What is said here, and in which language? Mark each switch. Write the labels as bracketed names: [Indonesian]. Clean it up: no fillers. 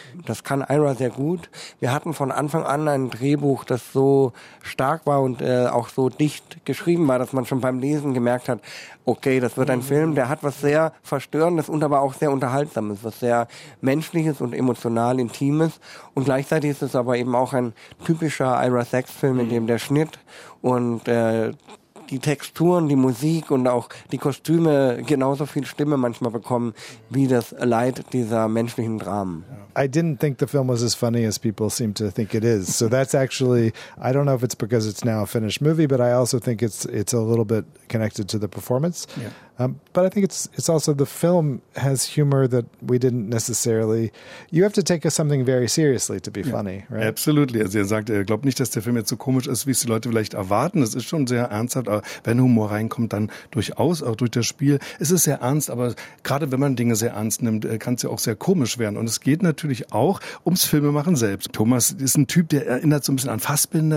[German] Das kann Ira sehr gut. Wir hatten von Anfang an ein Drehbuch, das so stark war und auch so dicht geschrieben war, dass man schon beim Lesen gemerkt hat, okay, das wird ein Film, der hat was sehr Verstörendes und aber auch sehr Unterhaltsames, was sehr Menschliches und emotional Intimes. Und gleichzeitig ist es aber eben auch ein typischer Ira-Sex-Film, in dem der Schnitt und die Texturen, die Musik und auch die Kostüme genauso viel Stimme manchmal bekommen, wie das Leid dieser menschlichen Dramen. [English] I didn't think the film was as funny as people seem to think it is. So that's actually, I don't know if it's because it's now a finished movie, but I also think it's a little bit connected to the performance. Yeah. But I think it's also the film has humor that we didn't necessarily, you have to take something very seriously to be funny, right? Absolutely. [German] Also er sagt, er glaubt nicht, dass der Film jetzt so komisch ist, wie es die Leute vielleicht erwarten. Es ist schon sehr ernsthaft, aber wenn Humor reinkommt, dann durchaus, auch durch das Spiel. Es ist sehr ernst, aber gerade wenn man Dinge sehr ernst nimmt, kann es ja auch sehr komisch werden. Und es geht natürlich auch ums Filmemachen selbst. Thomas ist ein Typ, der erinnert so ein bisschen an Fassbinder.